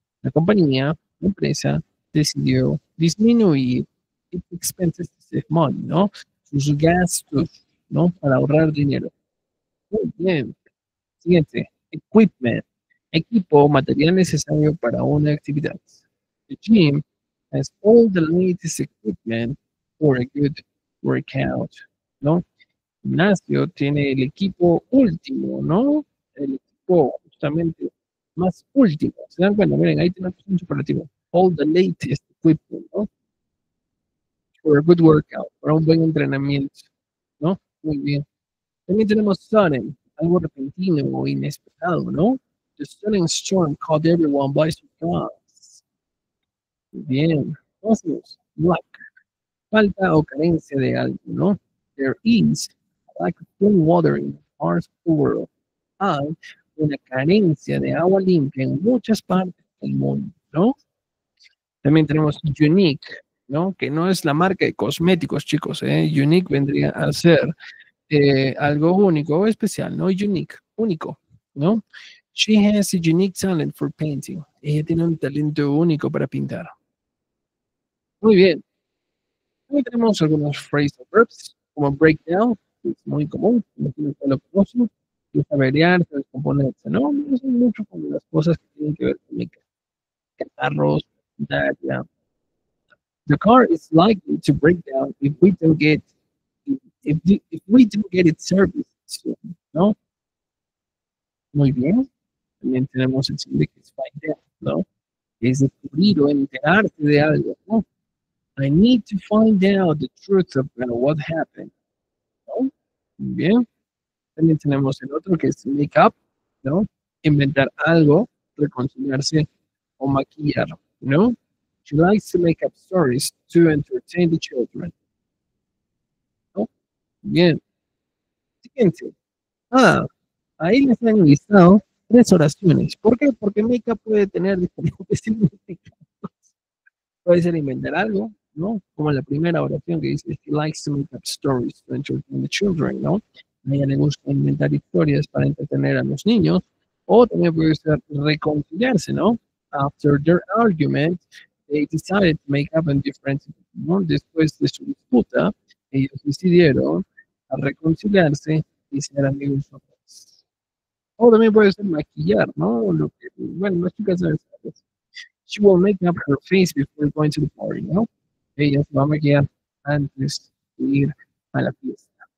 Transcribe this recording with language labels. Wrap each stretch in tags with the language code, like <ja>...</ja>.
<es>La compañía, la empresa, decidió disminuir</es> <en>its expenses to save money,</en> <es>¿no? Sus gastos, ¿no? Para ahorrar dinero. Muy bien. Siguiente, equipment, equipo, material necesario para una actividad.</es> <en>The gym has all the latest equipment for a good workout, ¿no?</en> <es>El gimnasio tiene el equipo último, ¿no? El equipo justamente más último. ¿Se dan cuenta? Miren, ahí tenemos un superlativo.</es> <en>All the latest equipment,</en> <es>¿no?</es> <en>For a good workout,</en> <es>para un buen entrenamiento, ¿no? Muy bien. También tenemos sudden, algo repentino o inesperado, ¿no?</es> <en>The sudden storm caught everyone by surprise.</en> <es>Bien, entonces, lack, falta o carencia de algo, ¿no?</es> <en>There is a lack of clean water in parts of the world.</en> <es>Hay una carencia de agua limpia en muchas partes del mundo, ¿no? También tenemos unique, ¿no? Que no es la marca de cosméticos, chicos, ¿eh? Unique vendría a ser algo único o especial, ¿no?</es> <en>Unique, único, ¿no? She has a unique talent for painting.</en> <es>Ella tiene un talento único para pintar. Muy bien. Aquí tenemos algunos phrasal verbs. como breakdown, que es muy común, lo conoce, y es averiar, se descompone, etc. No, no son mucho con las cosas que tienen que ver con mi catarros,</es> <en>that, yeah. The car is likely to break down if we don't get if we don't get it serviced soon, ¿no?</en> <es>Muy bien. También tenemos el signo que es find out, ¿no? Es descubrir o enterarte de algo, ¿no?</es> <en>I need to find out the truth of what happened, ¿no?</en> <es>Muy bien. También tenemos el otro que es make up, ¿no? Inventar algo, reconciliarse o maquillar, ¿no?</es> <en>She likes to make up stories to entertain the children.</en> <es>¿No? Bien. Siguiente. Ahí les han listado tres oraciones. ¿Por qué? Porque make up puede tener diferentes significados. Puede ser inventar algo, ¿no? Como la primera oración que dice,</es> <en>she likes to make up stories to entertain the children, ¿no?</en> <es>Ella le gusta inventar historias para entretener a los niños. O también puede ser reconciliarse, ¿no?</es> <en>After their argument, they decided to make up a difference, ¿no?</en> <es>Después de su disputa, ellos decidieron a reconciliarse y ser amigos otra vez. O también puede ser maquillar, ¿no? Lo que, bueno, las chicas saben eso.</es> <en>She will make up her face before going to the party, ¿no?</en> <es>Ella se va a maquillar antes de ir a la fiesta.</es>